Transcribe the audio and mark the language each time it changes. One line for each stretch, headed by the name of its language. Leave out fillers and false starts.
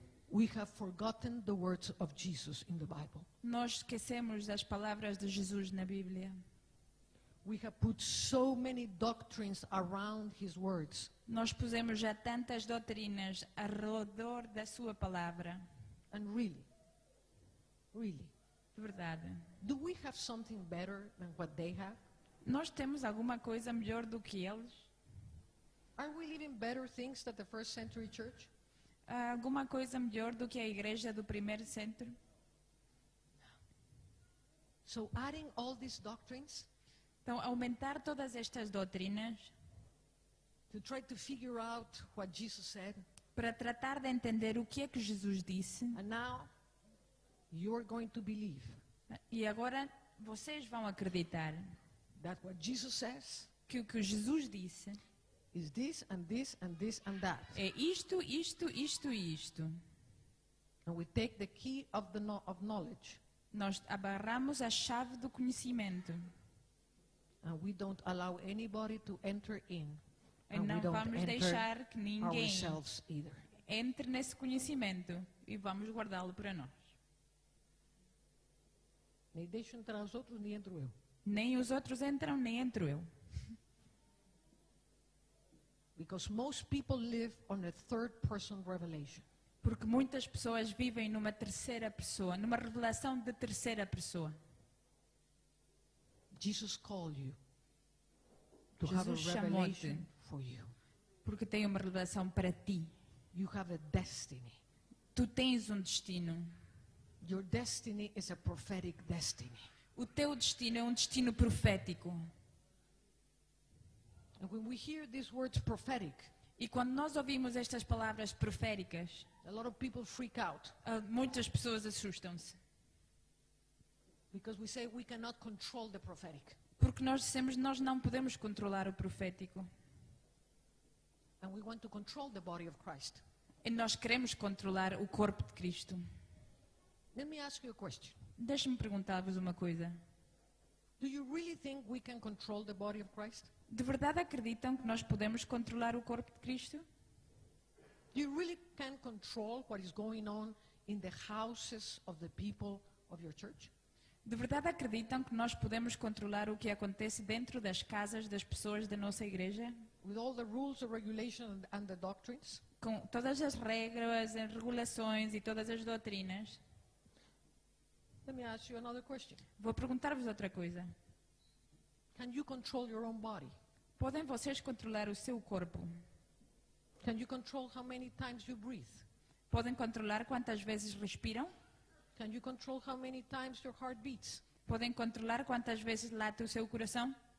English: We have forgotten the words of Jesus in the Bible.
Portuguese: Nós esquecemos as palavras de Jesus na Bíblia.
English: We have put so many doctrines around his words.
Portuguese: Nós pusemos já tantas doutrinas ao redor da sua palavra.
English: And really, really,
Portuguese: de verdade.
English: Do we have something better than what they have?
Portuguese: Nós temos alguma coisa melhor do que eles?
English: Are we living better things than the first century church?
Portuguese: Alguma coisa melhor do que a igreja do primeiro centro?
English: So adding all these doctrines,
Portuguese: então aumentar todas estas doutrinas
English: to try to figure out what Jesus said,
Portuguese: para tratar de entender o que é que Jesus disse.
English: And now you're going to believe,
Portuguese: e agora vocês vão acreditar
English: that what Jesus says,
Portuguese: que o que Jesus disse
English: is this and this and this and that.
Portuguese: É isto, isto, isto e isto.
English: And we take the key of knowledge.
Portuguese: Nós abarramos a chave do conhecimento.
English: And we don't allow anybody to enter in.
Portuguese: E não vamos deixar que ninguém entre nesse conhecimento e vamos guardá-lo para nós. Nem deixo entrar os outros, nem entro eu. Nem os outros entram, nem entro eu.
English: Because most people live on a third person revelation.
Portuguese: Porque muitas pessoas vivem numa terceira pessoa, numa revelação de terceira pessoa.
English: Jesus called you to have a revelation for you.
Portuguese: Porque tem uma revelação para ti.
English: You have a destiny.
Portuguese: Tu tens um destino.
English: Your destiny is a prophetic destiny.
Portuguese: O teu destino é um destino profético.
English: And when we hear these words prophetic,
Portuguese: e quando nós ouvimos estas palavras proféricas,
English: a lot of people freak out.
Portuguese: Muitas pessoas assustam-se.
English: Because we say we cannot control the prophetic.
Portuguese: Porque nós dissemos que nós não podemos controlar o profético.
English: And we want to control the body of Christ.
Portuguese: E nós queremos controlar o corpo de Cristo.
English: Let me ask you a question.
Portuguese: Deixe-me perguntar-vos uma coisa.
English: Do you really think we can control the body of Christ?
Portuguese: De verdade acreditam que nós podemos controlar o corpo de Cristo?
English: You really can control what is going on in the houses of the people of your church?
Portuguese: De verdade acreditam que nós podemos controlar o que acontece dentro das casas das pessoas da nossa igreja?
English: With all the rules, the regulations and the doctrines?
Portuguese: Com todas as regras, as regulações e todas as doutrinas?
English: Let me ask you another question.
Portuguese: Vou perguntar-vos outra coisa.
English: Can you control your own body?
Portuguese: Podem vocês controlar o seu corpo?
English: Can you control how many times you breathe?
Portuguese: Podem controlar quantas vezes respiram?
English: Can you control how many times your heart beats?
Portuguese: Podem controlar quantas vezes late o seu coração?